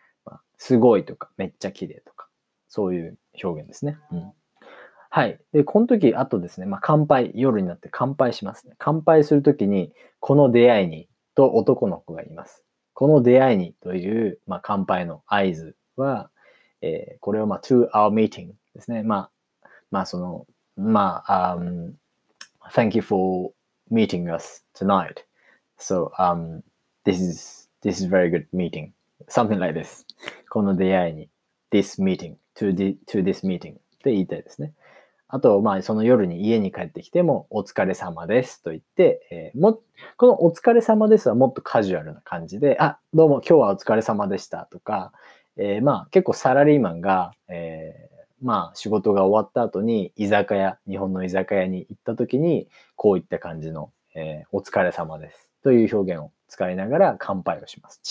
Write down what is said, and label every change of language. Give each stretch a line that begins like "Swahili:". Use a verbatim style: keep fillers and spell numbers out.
Japanese: まあ、すごいとか、めっちゃ綺麗とか、そういう表現ですね。うん。はい。で、この時、あとですね、まあ、乾杯、夜になって乾杯しますね。乾杯するときに、この出会いにと男の子がいます。この出会いにという、まあ、乾杯の合図は、えー、これを、まあ、
English: to our meeting
Japanese: ですね。
English: まあ、まあ、その、まあ、um, thank you for meeting us tonight. So,、um, this is, this is very good meeting. Something like this.
Japanese: この出会いに、
English: this meeting, to, the, to this meeting
Japanese: って言いたいですね。あと、まあ、その夜に家に帰ってきても、お疲れ様ですと言って、えー、も、このお疲れ様ですはもっとカジュアルな感じで、あ、どうも今日はお疲れ様でしたとか、えー、まあ、結構サラリーマンが、えー、まあ、仕事が終わった後に居酒屋、日本の居酒屋に行った時に、こういった感じの、えー、お疲れ様ですという表現を使いながら乾杯をします。